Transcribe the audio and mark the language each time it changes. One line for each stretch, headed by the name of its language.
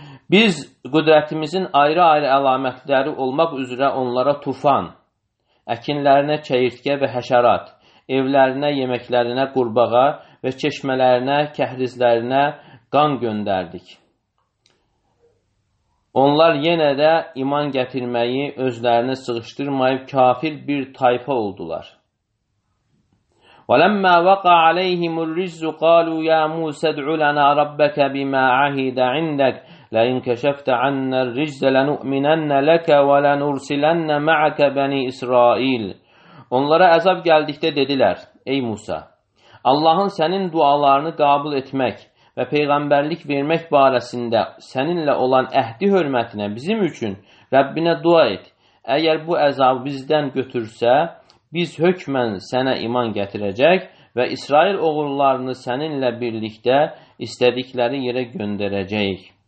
Azerbaijani: Biz qüdrətimizin ayrı-ayrı əlamətləri olmaq üzrə onlara tufan, əkinlərinə çəyirtkə və həşərat, evlərinə, yeməklərinə, qurbağa və çeşmələrinə, kəhrizlərinə qan göndərdik. Onlar yenə də iman gətirməyi özlərinə sığışdırmayıb kafir bir tayfa oldular.
Arabic: ولما وقع عليهم الرجز قالوا يا موسى ادع لنا ربك بما عهد عندك لئن كشفت عنا الرجز لنؤمنن لك ولنرسلن معك بني اسرائيل.
Azerbaijani: Onlara əzab gəldikdə dedilər, ey Musa, Allahın sənin dualarını qəbul etmək və peyğəmbərlik vermək barəsində səninlə olan əhdi hörmətinə bizim üçün Rəbbinə dua et. Əgər bu əzab bizdən götürsə, biz hökmən sənə iman gətirəcək və İsrail oğullarını səninlə birlikdə istədikləri yerə göndərəcəyik.